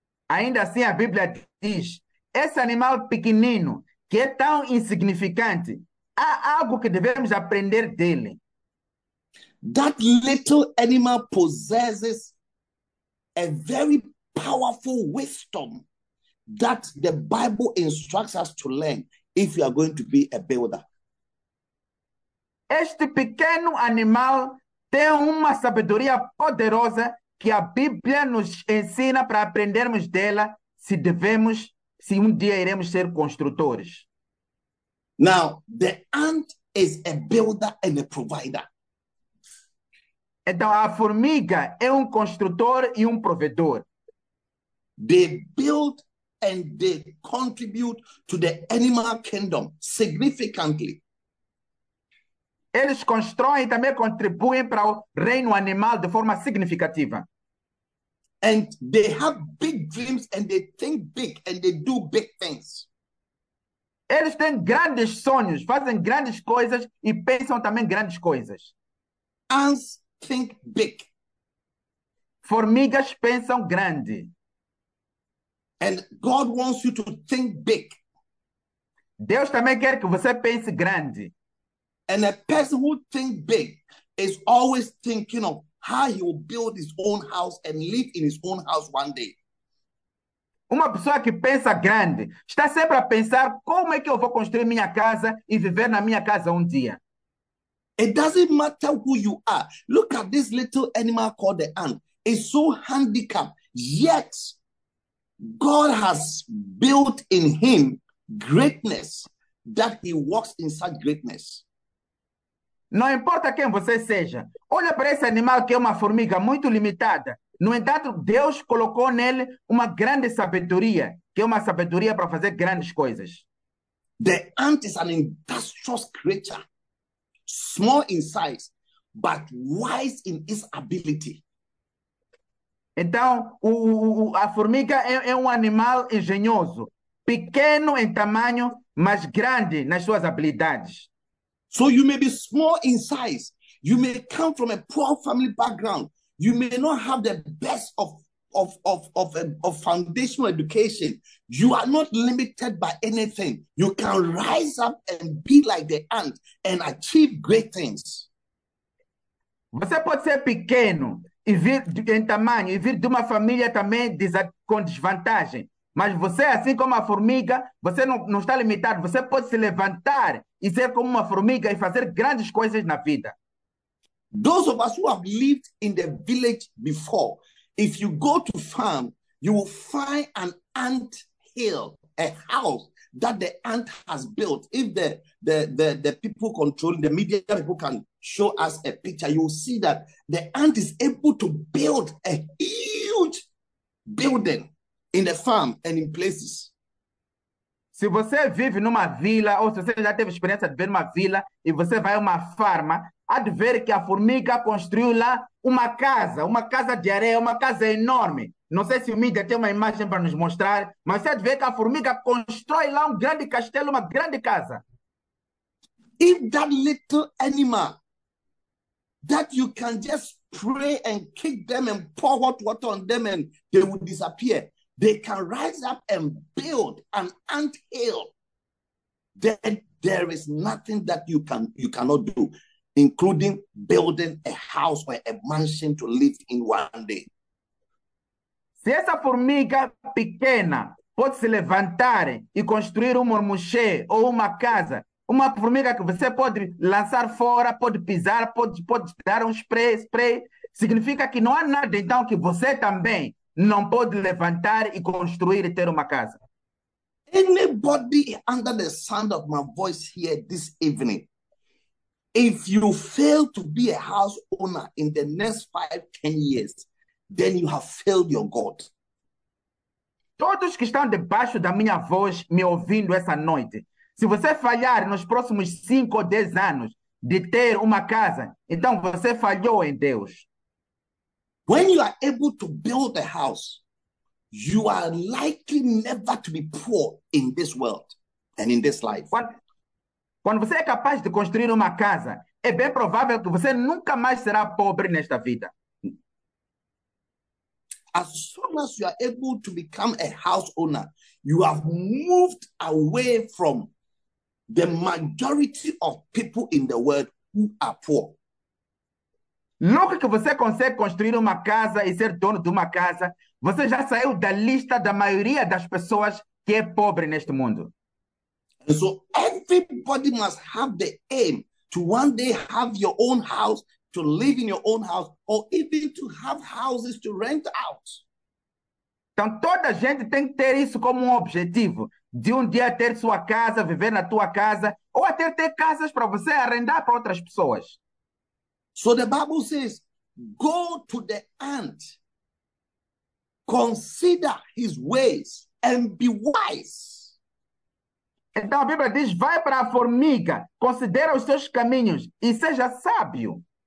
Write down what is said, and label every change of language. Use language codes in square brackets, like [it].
[pt] Ainda assim, a Bíblia diz, esse animal pequenino, que é tão insignificante, há algo que devemos aprender dele. [en] That little animal possesses a very powerful wisdom that the Bible instructs us to learn if you are going to be a builder. [pt] Este pequeno animal tem uma sabedoria poderosa que a Bíblia nos ensina para aprendermos dela se devemos, se um dia iremos ser construtores. [en] Now, the ant is a builder and a provider. [pt] Então, a formiga é construtor e provedor. [en] They build and they contribute to the animal kingdom significantly. [pt] Eles constroem e também contribuem para o reino animal de forma significativa. [en] And they have big dreams and they think big and they do big things. [pt] Eles têm grandes sonhos, fazem grandes coisas e pensam também grandes coisas. [en] Ants think big. [pt] Formigas pensam grande. [en] And God wants you to think big. [pt] Deus também quer que você pense grande. [en] And a person who thinks big is always thinking of how he will build his own house and live in his own house one day. [pt] Uma pessoa que pensa grande está sempre a pensar como é que eu vou construir minha casa e viver na minha casa dia. [en] It doesn't matter who you are. Look at this little animal called the ant. It's so handicapped. Yet, God has built in him greatness that he walks in such greatness. [pt] Não importa quem você seja. Olha para esse animal que é uma formiga muito limitada. No entanto, Deus colocou nele uma grande sabedoria, que é uma sabedoria para fazer grandes coisas. [en] The ant is an industrious creature, small in size, but wise in its ability. [pt] Então, a formiga é animal engenhoso, pequeno em tamanho, mas grande nas suas habilidades. [en] So you may be small in size. You may come from a poor family background. You may not have the best of foundational education. You are not limited by anything. You can rise up and be like the ant and achieve great things. [pt] Você pode ser pequeno e vir em tamanho e vir de uma família também com desvantagem. Mas você, assim como a formiga, você não está limitado. Você pode se levantar e ser como uma formiga e fazer grandes coisas na vida. [en] Those of us who have lived in the village before, if you go to farm, you will find an ant hill, a house that the ant has built. If the people controlling the media people can show us a picture, you will see that the ant is able to build a huge building in the farm and in places. [pt] Se você vive numa vila, ou se você já teve experiência de ver uma vila, e você vai a uma farma, há de ver que a formiga construiu lá uma casa de areia, uma casa enorme. Não sei se o mídia tem uma imagem para nos mostrar, mas você há de ver que a formiga constrói lá grande castelo, uma grande casa. [en] If that little animal that you can just spray and kick them and pour hot water on them and they will disappear, they can rise up and build an ant hill, then there is nothing that you cannot do, including building a house or a mansion to live in one day. [pt] Se essa formiga pequena pode se levantar e construir mormuxê ou uma casa, uma formiga que você pode lançar fora, pode pisar, pode dar spray, significa que não há nada, então, que você também não pode levantar e construir e ter uma casa. [en] Anybody under the sound of my voice here this evening, if you fail to be a house owner in the next 5-10 years, then you have failed your God. [pt] Todos que estão debaixo da minha voz me ouvindo essa noite, se você falhar nos próximos 5 ou 10 anos de ter uma casa, então você falhou em Deus. [en] When you are able to build a house, you are likely never to be poor in this world and in this life. [pt] Quando você é capaz de construir uma casa, é bem provável que você nunca mais será pobre nesta vida. [en] As soon as you are able to become a house owner, you have moved away from the majority of people in the world who are poor. [pt] Logo que você consegue construir uma casa e ser dono de uma casa, você já saiu da lista da maioria das pessoas que é pobre neste mundo. [en] And so everybody must have the aim to one day have your own house, to live in your own house, or even to have houses to rent out. [pt] Então toda a gente tem que ter isso como um objetivo, de um dia ter sua casa, viver na tua casa, ou até ter casas para você arrendar para outras pessoas. [en] So the Bible says, go to the ant, consider his ways, and be wise. [pt] Então a Bíblia diz, vai para a formiga, considera os seus caminhos e seja sábio.